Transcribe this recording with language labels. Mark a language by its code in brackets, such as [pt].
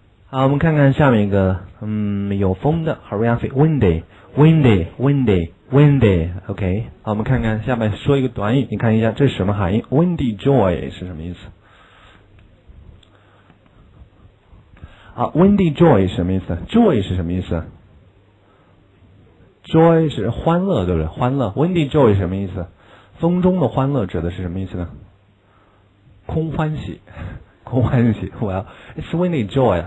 [zh] 好，我们看看下面一个，有风的，好 ， [en] we have windy, windy, windy, windy, OK。 [zh] 好，我们看看下面说一个短语，你看一下这是什么含义 ？Windy joy 是什么意思？啊 ，windy joy 是什么意思 ？Joy 是什么意思 ？Joy 是欢乐，对不对？欢乐 ，windy joy 是什么意思？风中的欢乐指的是什么意思呢？空欢喜。空欢喜 [en] ，Well, it's windy joy.